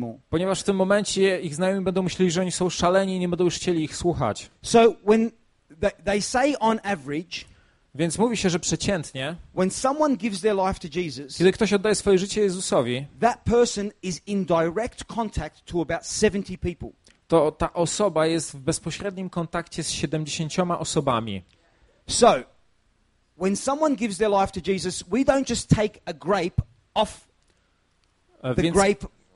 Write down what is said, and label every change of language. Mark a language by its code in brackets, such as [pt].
[pl] Ponieważ w tym momencie ich znajomi będą myśleli, że oni są szaleni i nie będą już chcieli ich słuchać. [en] So when they say on average, [pl] więc mówi się, że przeciętnie, [en] when someone gives their life to Jesus, [pl] kiedy ktoś oddaje swoje życie Jezusowi, [en] that person is in direct contact to about 70 people. [pl] To ta osoba jest w bezpośrednim kontakcie z 70 osobami. [en] So when someone gives their life to Jesus, we don't just take a grape off the grape.